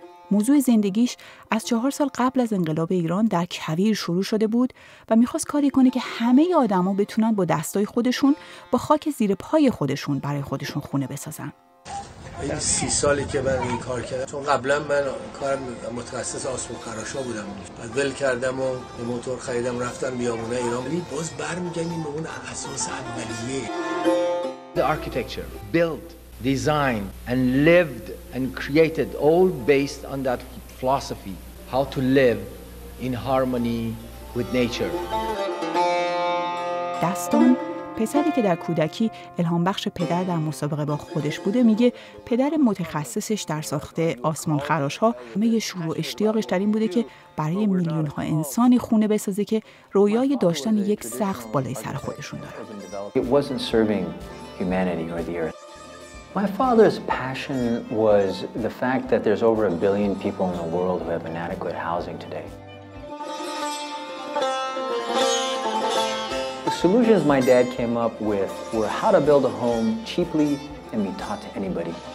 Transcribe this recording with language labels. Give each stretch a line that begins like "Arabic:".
Persian: موضوع زندگیش از 4 سال قبل از انقلاب ایران در کویر شروع شده بود و میخواست کاری کنه که همه ی آدم ها بتونن با دستای خودشون با خاک زیر پای خودشون برای خودشون خونه بسازن. 30 سالی که من این کار کردم چون قبلا من کارم متخصص آسفالت خراشا بودم بعد ول کردم و یه موتور خریدم رفتم بیابونه ایران ولی باز برمیگردیم به اون اساس اولیه.
English: The architecture built, designed and lived and created all based on that philosophy, how to live in harmony with nature.
Persian: داستان پسری که در کودکی الهام بخش پدر در مسابقه با خودش بوده میگه پدر متخصصش در ساخته آسمان خراش ها همه شروع اشتیاقش در این بوده که برای میلیون ها انسانی خونه بسازه که رویای داشتن یک سقف بالای سر خودشون دارن.
English: It wasn't serving humanity or the earth. My father's passion was the fact that there's over a billion people in the world who have inadequate housing today. The solutions my dad came up with were how to build a home cheaply and be taught to anybody.